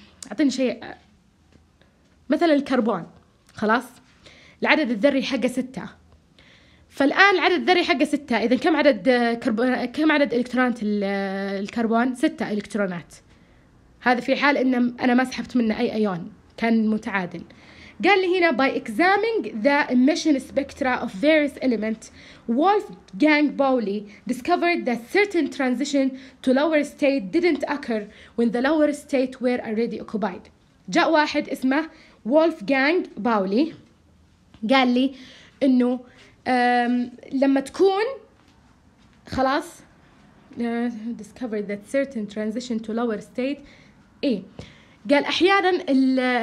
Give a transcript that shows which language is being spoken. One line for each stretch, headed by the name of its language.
Arabic: أعطيني شيء مثلا الكربون، خلاص العدد الذري حقه 6، فالآن العدد الذري حقه 6، إذا كم عدد كم عدد إلكترونات الكربون؟ 6 إلكترونات، هذا في حال إن أنا ما سحبت منه أي أيون كان متعادل. قال لي هنا
English: by examining the emission spectra of various elements Wolfgang Pauli discovered that certain transition to lower state didn't occur when the lower state were already occupied.
Arabic: جاء واحد اسمه Wolfgang Pauli قال لي انه لما تكون خلاص
English: discovered that certain transition to lower state
Arabic: ايه قال احيانا ال